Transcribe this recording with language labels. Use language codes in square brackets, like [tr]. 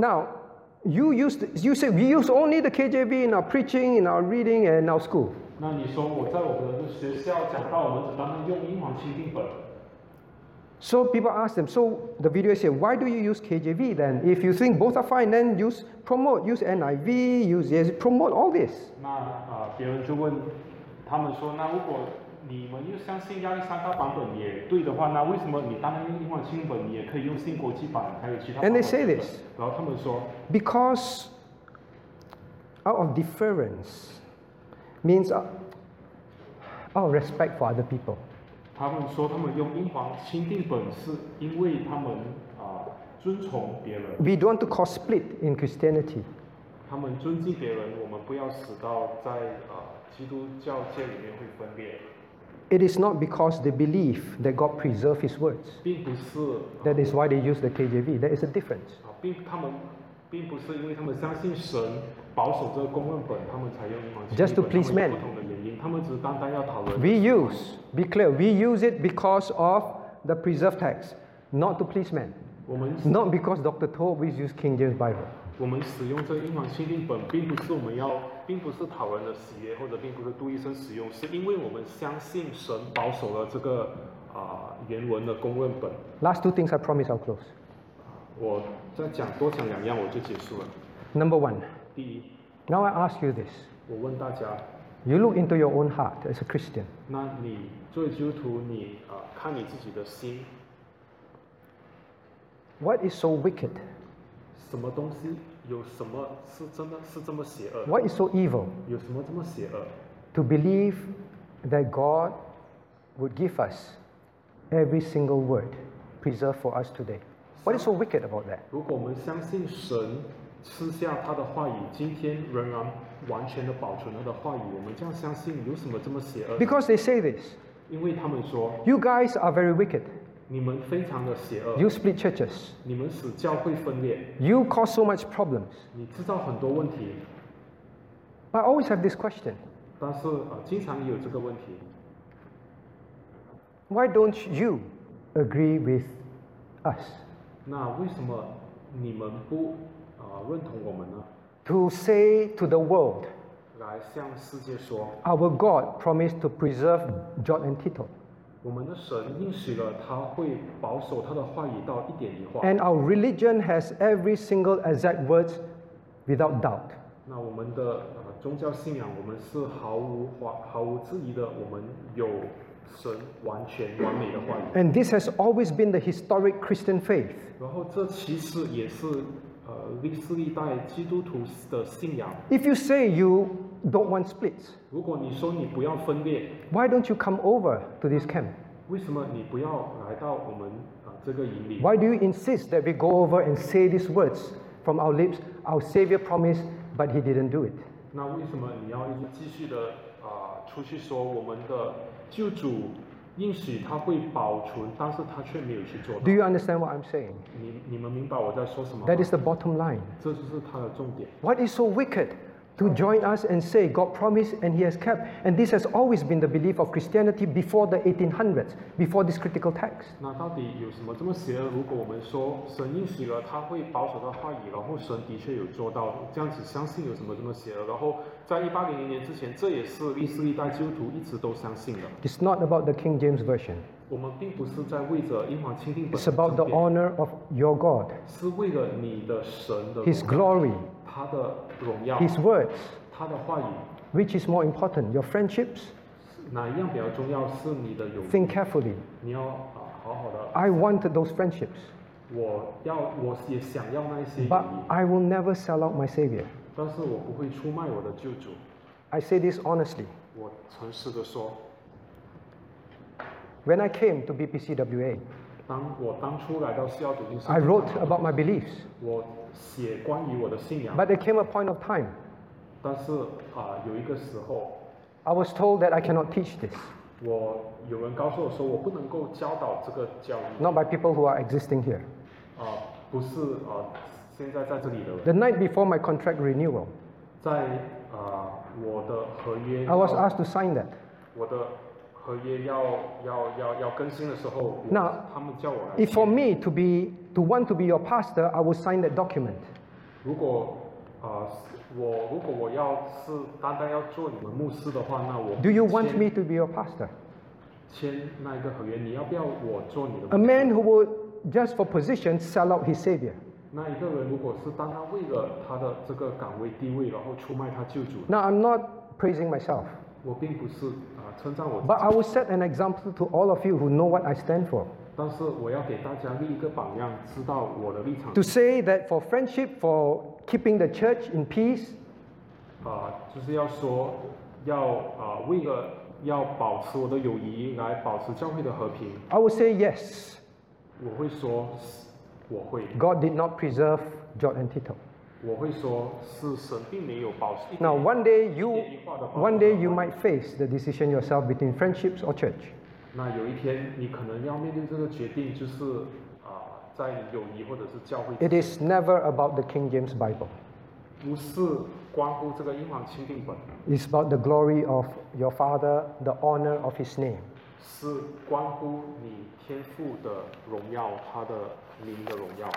[en] Now you say we use only the KJV in our preaching, in our reading, and in our school. [zh] 那你说我在我们的学校讲到我们只单单用英皇钦定本。 [en] So people ask them, so the video say, why do you use KJV then? If you think both are fine, then use NIV, use ESV, promote all this. [zh] 那别人就问他们说，那如果你们又相信亚历山大版本也对的话，那为什么你单单用英文新本，你也可以用新国际版，还有其他版本？ [en] And they say this. [zh] 然后他们说， [en] because out of deference means out of respect for other people. [zh] 他们说他们用英皇钦定本是因为他们尊崇别人。 [en] We don't want to cause split in Christianity. [zh] 他们尊敬别人，我们不要使到在基督教界里面会分裂。 [en] It is not because they believe that God preserved His words. [zh] 并不是。 [en] That is why they use the KJV. There is a difference. [zh] 并不是因为他们相信神保守这个公论本，他们才用英皇钦定。 [en] Just to please men. [zh] 他们有不同的原因，他们只是单单要讨论。 [en] We use, be clear, we use it because of the preserved text, not to please men. [zh] 我们。 [en] Not because Dr. Toh always use King James Bible. [zh] 我们使用这个英皇钦定本，并不是我们要。并不是讨人的喜悦，或者并不是杜医生使用，是因为我们相信神保守了这个原文的公论本。 [en] Last two things, I promise I'll close. [zh] 我再讲多讲两样，我就结束了。 [en] Number one. [zh] 第一。 [en] Now I ask you this. [zh] 我问大家。 [en] You look into your own heart as a Christian. [zh] 那你作为基督徒，你看你自己的心。 [en] What is so wicked? [zh] 什么东西？有什么是真的是这么邪恶？ [en] What is so evil? [zh] 有什么这么邪恶？ [en] To believe that God would give us every single word preserved for us today. What is so wicked about that? [zh] 如果我们相信神赐下他的话语，今天仍然完全的保存他的话语，我们这样相信有什么这么邪恶？ [en] Because they say this. [zh] 因为他们说， [en] You guys are very wicked. [zh] 你们非常的邪恶。 [en] You split churches. [zh] 你们使教会分裂。 [en] You cause so much problems. [zh] 你制造很多问题。 [en] But I always have this question. [zh] 但是经常有这个问题。 [en] Why don't you agree with us? [zh] 那为什么你们不认同我们呢？ [en] To say to the world. [zh] 来向世界说。 [en] Our God promised to preserve John and Tito. [zh] 我们的神应许了他会保守他的话语到一点一画。 [en] And our religion has every single exact word without doubt. [zh] 那我们的宗教信仰，我们是毫无质疑的，我们有神完全完美的话语。 [en] And this has always been the historic Christian faith. [zh] 然后这其实也是历代基督徒的信仰。 [en] If you say youDon't want splits. [zh] 如果你说你不要分裂， [en] Why don't you come over to this camp? [zh] 为什么你不要来到我们这个营里？ [en] Why do you insist that we go over and say these words from our lips? Our Savior promised, but He didn't do it. [zh] 那为什么你要一直继续的出去说我们的救主应许他会保存，但是他却没有去做到？ [en] Do you understand what I'm saying? [zh] 你们明白我在说什么吗？ [en] That is the bottom line. [zh] 这就是他的重点。 [en] What is so wicked? To join us and say God promised and He has kept, and this has always been the belief of Christianity before the 1800s, before this critical text. [zh] 那到底有什么这么邪恶？如果我们说神应许了他会保守他话语，然后神的确有做到，这样子相信有什么这么邪恶？然后在1800年之前，这也是历世历代基督徒一直都相信的。 [en] It's not about the King James Version. [zh] 我们并不是在为着英皇钦定本。 [en] It's about the honor of your God. [zh] 是为了你的神的。 [en] His glory. [zh] 他的荣耀， [en] His words, [zh] 他的话语， [en] which is more important, your friendships? [zh] 哪一样比较重要？是你的友谊。 [en] Think carefully. [zh] 你要好好的。 [en] I want those friendships. [zh] 我也想要那些友谊。 [en] But I will never sell out my Savior. [zh] 但是我不会出卖我的救主。 [en] I say this honestly. [zh] 我诚实的说。 [en] When I came to BPCWA, [zh] 当我当初来到西澳主教会 [en] I wrote about my beliefs. [zh] 我写关于我的信仰。 [en] But there came a point of time. [zh] 但是有一个时候。 [en] I was told that I cannot teach this. [zh] 我有人告诉我说我不能够教导这个教义。 [en] Not by people who are existing here. [zh] 不是现在在这里的人。 [en] The night before my contract renewal. [zh] 在我的合约。 [en] I was asked to sign that. [zh] 我的合约要更新的时候， [en] Now, [zh] 他们叫我来。 [en] If for me to want to be your pastor, I will sign that document. [zh] 如果我要是单单要做你们牧师的话，那我 [en] Do you want me to be your pastor? [zh] 签那个合约，你要不要我做你的牧师？ [en] A man who would just for position sell out his savior. [zh] 那一个人如果是单单为了他的这个岗位地位，然后出卖他救主。 [en] Now I'm not praising myself. [zh] 我并不是称赞我自己。 [en] But I will set an example to all of you who know what I stand for. [zh] 但是我要给大家立一个榜样，知道我的立场。 [en] To say that for friendship for keeping the church in peace. [zh] 就是要说要为了要保持我的友谊来保持教会的和平。 [en] I will say yes. [zh] 我会说我会。 [en] God did not preserve John and Tito. [zh] 我会说是神并没有保持。 [en] Now one day you might face the decision yourself between friendships or church. [zh] 那有一天你可能要面对这个决定，就是在友谊或者是教会。 [en] It is never about the King James Bible. [zh] 不是关乎这个英皇钦定本。 [en] It's about the glory of your father, the honor of his name. [zh] 是关乎你天父的荣耀，他的名的荣耀。